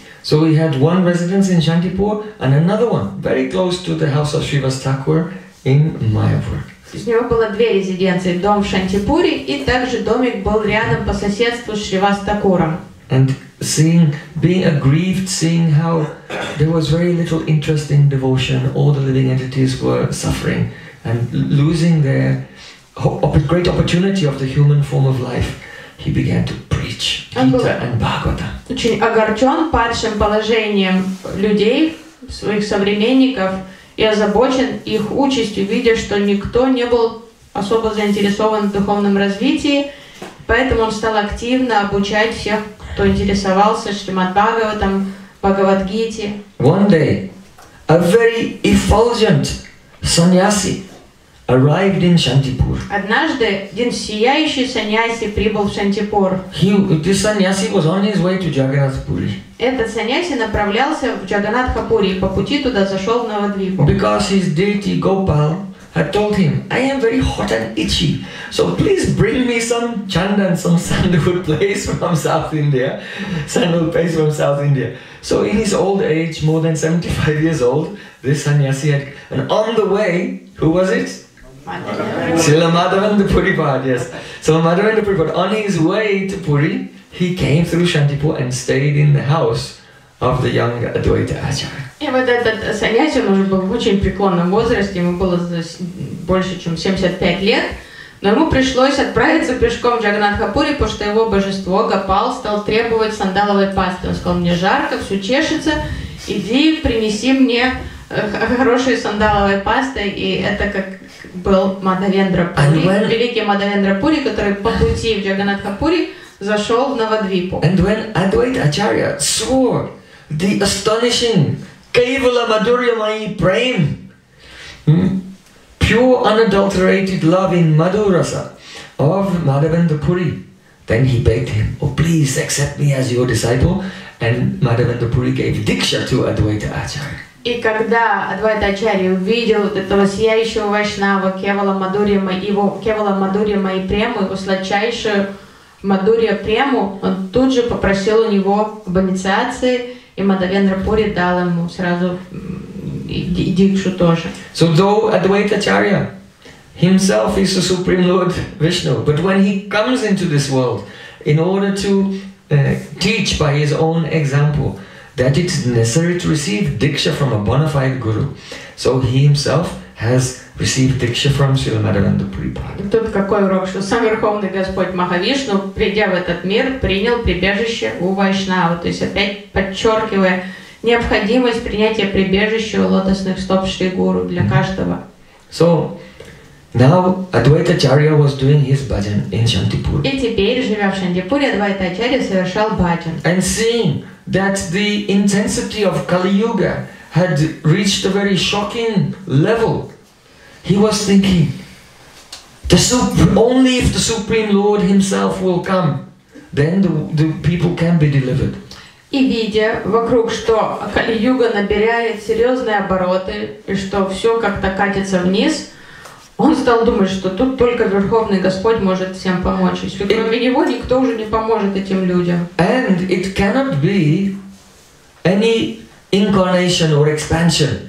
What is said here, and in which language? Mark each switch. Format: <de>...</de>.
<en>So he had one residence in Shantipur and another one very close to the house of Srivast Thakur in Mayapur.</en> <ru>То есть у него было две резиденции, дом в Шантипуре и также домик был рядом по соседству с Шривастакуром.</ru> <en>And seeing, being aggrieved, seeing how there was very little interest in devotion, all the living entities were suffering and losing their great opportunity of the human form of life. He began to preach Gita and Bhagavata.</en> <ru>Очень огорчен падшим положением людей, своих современников, и озабочен их участью, видя, что никто не был особо заинтересован в духовном развитии, поэтому он стал активно обучать всех, кто интересовался Шримад Бхагаватам, Бхагавадгите.</ru> <en>One day, a very effulgent sannyasi arrived in Shantipur.</en> <ru>Однажды один сияющий саньяси прибыл в Шантипур.</ru> <en>This sannyasi was on his way to Jagannath Puri.</en> <ru>Этот саньяси направлялся в Джаганатха Пури и по пути туда зашел в Навадвип.</ru> <en>Because his deity Gopal had told him, I am very hot and itchy, so please bring me some chandan, some sandalwood place from South India, sandalwood place from South India. So in his old age, more than 75 years old, this sannyasi had, and on the way, who was it? Srila Madhavendra Puripad, yes. So Madhavendra Puripad, on his way to Puri, he came through Shantipur and stayed in the house of the young Advaita Acharya.</en> <ru>И вот этот саньяси, он уже был в очень преклонном возрасте, ему было больше, чем 75 лет, но ему пришлось отправиться пешком в Джаганатхапури, потому что его божество Гопал стал требовать сандаловой пасты. Он сказал, мне жарко, все чешется, иди принеси мне хорошую сандаловую пасту. И это как был Мадхавендра Пури, великий Мадхавендра Пури, который по пути в Джаганатхапури зашел в Навадвипу.</ru> <en>And when Advaita Acharya saw the astonishing Kevala Madhurya Mayi Prem, pure unadulterated love in Madhurasa of Madhavendra Puri, then he begged him, oh please accept me as your disciple, and Madhavendra Puri gave Diksha to Advaita Acharya.</en> <ru>И когда Адвайта Ачарья увидел этого сияющего вайшнава Кевала Мадхурья Майи Прему, его сладчайшую Мадхурья Прему, он тут же попросил у него об инициации, и Мадхавендра Пури дал ему сразу и дикшу тоже.</ru> <en>So though Advaita Acharya himself is the Supreme Lord Vishnu, but when he comes into this world in order to teach by his own example that it's necessary to receive diksha from a bona fide guru, so he himself has received diksha from Srila Madhavendra Puripada.</en> <ru>Тут какой урок, что сам Верховный Господь Махавишну, придя в этот мир, принял прибежище у вайшнава. То есть опять подчеркивая необходимость принятия прибежища у лотосных стоп Шри Гуру для каждого.</ru> <en>So now Advaita Acharya was doing his bhajan in Shantipur.</en> <ru>И теперь, живя в Шантипуре, Адвайта Ачарья совершал бхаджан.</ru> <en>And seeing that the intensity of Kali Yuga had reached a very shocking level, he was thinking, only if the Supreme Lord himself will come, then the people can be delivered.</en> <ru>И видя вокруг, что Kali Yuga набирает серьезные обороты, и что все как-то катится вниз, он стал думать, что тут только Верховный Господь может всем помочь. Ведь кроме Него никто уже не поможет этим людям.</ru> <en>And it cannot be any incarnation or expansion.</en>